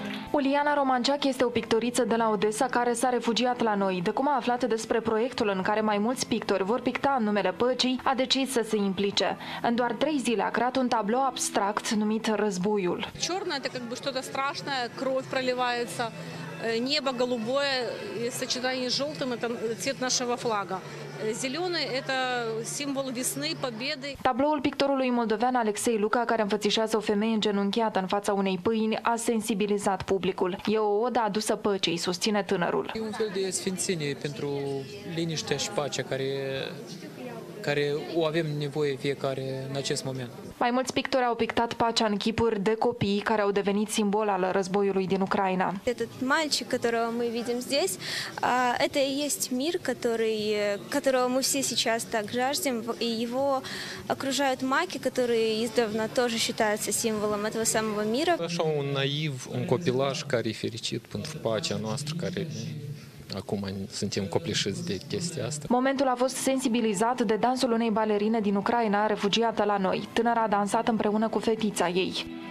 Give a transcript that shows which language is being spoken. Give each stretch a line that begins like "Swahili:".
Romanian: Uliana Romanciac este o pictoriță de la Odessa care s-a refugiat la noi. De cum a aflat despre proiectul în care mai mulți pictori vor picta în numele păcii, a decis să se implice. În doar 3 zile a creat un tablou abstract numit Războiul.
Ukrainian: Чорне це якби щось страшне, кров проливається, небо голубое і сочетання з жовтим це цвіт нашого флага. Зелений – це символ весни, победи.
Romanian: Табло-ul pictorului moldovean Alexei Luca, care înfățișează o femeie îngenunchiată în fața unei pâini, a sensibilizat publicul. E o odă adusă păcii, susține tânărul. E un fel de sfințenie pentru liniștea și pacea care o avem nevoie fiecare în acest moment. Mai mulți pictori au pictat pacea în chipuri de copii care au devenit simbol al războiului din Ucraina.
Russian: Этот мальчик, которого мы видим здесь, это и есть мир, которого мы все сейчас так жаждем, и его окружают маки, которые издавна тоже считаются символом этого самого мира.
Romanian: Așa un naiv, un copilaș care e fericit pentru pacea noastră, care acum suntem copleșiți de chestia asta. Momentul a fost sensibilizat de dansul unei balerine din Ucraina, refugiată la noi. Tânăra a dansat împreună cu fetița ei.